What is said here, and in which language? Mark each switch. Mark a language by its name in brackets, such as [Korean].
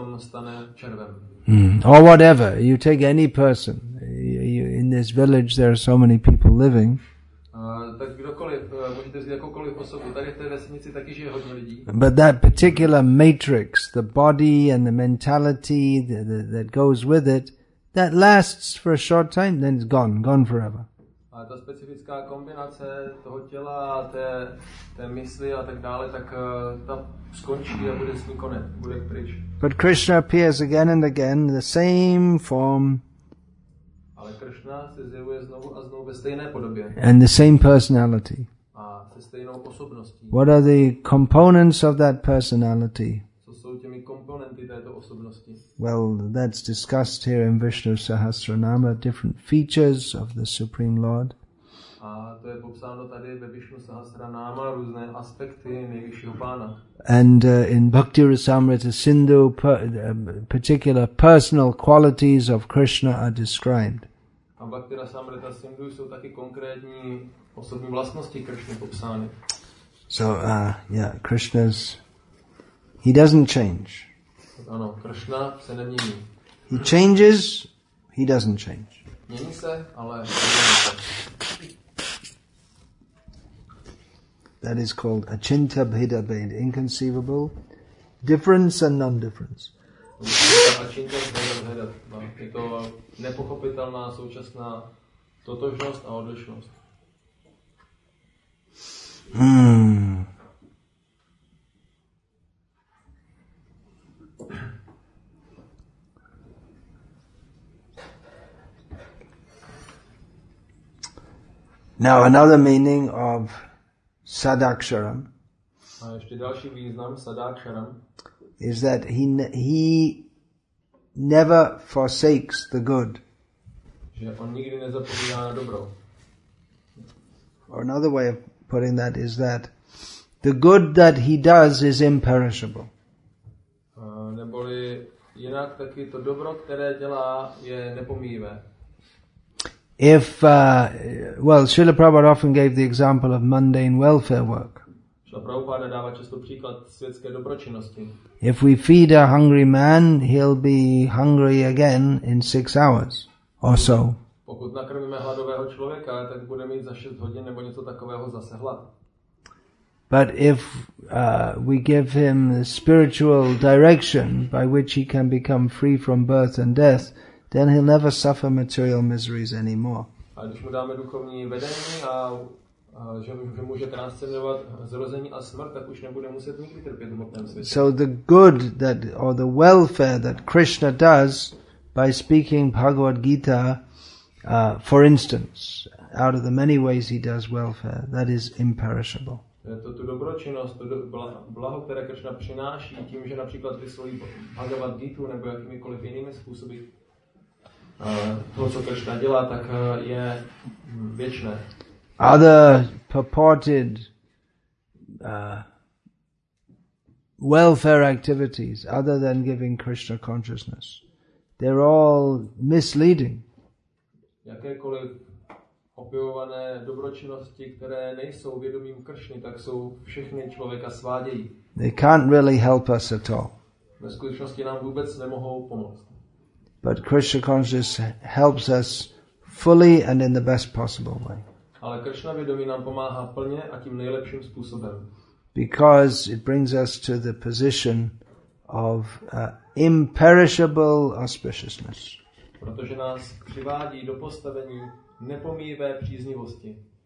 [English] Or whatever, you take any person. In this village there are so many people living. [Czech] Tak kdokoliv, můžete vzít jakoukoliv osobu, tady v té vesnici taky žije hodně lidí. [English] But that particular matrix, the body and the mentality that goes with it, that lasts for a short time, then it's gone forever. [Czech] A ta specifická kombinace toho těla, té mysli a tak dále, tak ta skončí a bude s ní konec, bude pryč. [English] But Krishna appears again and again, the same form. [Czech] Ale Krishna se zjevuje znovu a znovu ve stejné podobě. [English] And the same personality. [Czech] A se stejnou osobností. [English] What are the components of that personality? [Czech] Co jsou těmi komponenty této osobnosti? [English] Well, that's discussed here in Vishnu Sahasranama, different features of the Supreme Lord. [Czech] A to je popsáno tady ve Vishnu Sahasranama, různé aspekty nejvyššího pána. [English] And in Bhakti Rasamrita Sindhu, particular personal qualities of Krishna are described. [Czech] A Bhakti Rasamrita Sindhu jsou taky konkrétní osobní vlastnosti Krishna popsány. [English] So, yeah, Krishna's... He doesn't change. [Czech] Ano, Krishna se nemění. [English] He changes, he doesn't change. [Czech] Mění se, ale [English] that is called achinta bheda bheda, inconceivable difference and non-difference. [Czech] Achinta bheda bheda, je to nepochopitelná současná totožnost a odlišnost. [English] Now another meaning of sadaksharam. [Czech] A ještě další význam sadaksharam [English] is that he never forsakes the good. [Czech] Že on nikdy nezapomíná na dobro. [English] Or another way of putting that is that the good that he does is imperishable. [Czech] Neboli jinak taky to dobro, které dělá, je nepomíjivé. [English] If, well, Srila Prabhupada often gave the example of mundane welfare work. [Czech] Srila Prabhupada dává často příklad světské dobročinnosti. [English] If we feed a hungry man, he'll be hungry again in 6 hours or so. [Czech] Pokud nakrmíme hladového člověka, tak bude mít za 6 hodin nebo něco takového zase hlad. [English] But if we give him spiritual direction by which he can become free from birth and death, then he'll never suffer material miseries anymore. [Czech] A když mu dáme duchovní vedení a že může transcendovat zrození a smrt, tak už nebude muset nikdy trpět v hmotném světě. [English] So the good that or the welfare that Krishna does by speaking Bhagavad Gita, for instance, out of the many ways he does welfare, that is imperishable. [Czech] To tu dobročinnost, to blaho, které Krishna přináší tím, že například vysloví Bhagavad Gita nebo jakýmikoliv jinými způsoby. To, co Krishna dělá, tak je věčné. [English] Other purported welfare activities, other than giving Krishna consciousness, they're all misleading. [Czech] Jakékoliv opěvované dobročinnosti, které nejsou vědomím Krishny, tak jsou všechny člověka svádějí. [English] They can't really help us at all. [Czech] Ve skutečnosti nám vůbec nemohou pomoct. [English] But Krishna consciousness helps us fully and in the best possible way. [Czech] Ale Krishna vědomí nám pomáhá plně a tím nejlepším způsobem. [English] Because it brings us to the position of imperishable auspiciousness. [Czech] Protože nás přivádí do postavení nepomíjivé příznivosti.